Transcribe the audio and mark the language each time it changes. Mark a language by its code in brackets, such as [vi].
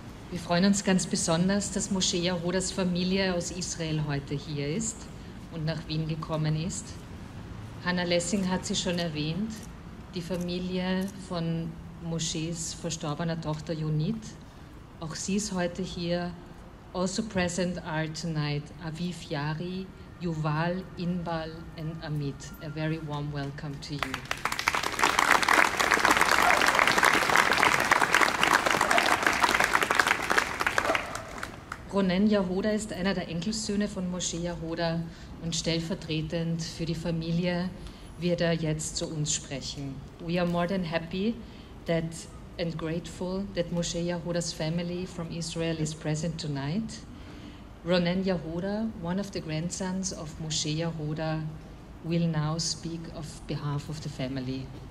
[de] Wir freuen uns ganz besonders, dass Moshe Yehudas Familie aus Israel heute hier ist und nach Wien gekommen ist. Hannah Lessing hat sie schon erwähnt, die Familie von Moshes verstorbener Tochter Yonit. Auch sie ist heute hier. [en] Also present are tonight Aviv Yari, Yuval, Inbal and Amit. A very warm welcome to you. [de] Ronen Yehuda ist einer der Enkelsöhne von Moshe Yehuda und stellvertretend für die Familie wird er jetzt zu uns sprechen. [en] We are more than happy that and grateful that Moshe Yehuda's family from Israel is present tonight. Ronen Yehuda, one of the grandsons of Moshe Yehuda, will now speak on behalf of the family.